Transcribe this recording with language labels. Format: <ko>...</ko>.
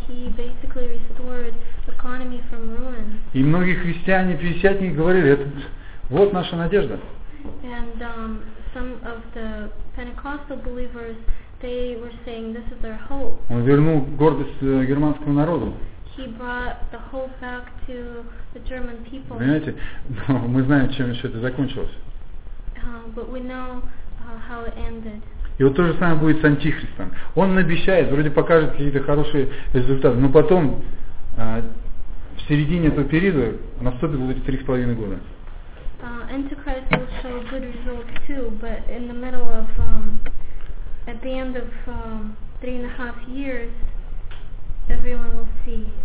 <en>He basically restored economy from ruin.</en> <ru>И многие христиане, пятидесятники говорили, это вот наша надежда.</ru> <en>And some of the Pentecostal believers, they were saying, this is our hope.</en> <ru>Он вернул гордость германскому народу.</ru> <en>He brought the hope back to the German people.</en> <ru>Понимаете? Но мы знаем, чем еще это закончилось.</ru> <en>But we know how it ended.</en> <ru>И вот то же самое будет с Антихристом. Он обещает, вроде покажет какие-то хорошие результаты, но потом, в середине этого периода, наступит вот эти 3,5 года.</ru> <en>Antichrist will show good results too, but in the middle of, at the end of 3.5 years, everyone will see.</en>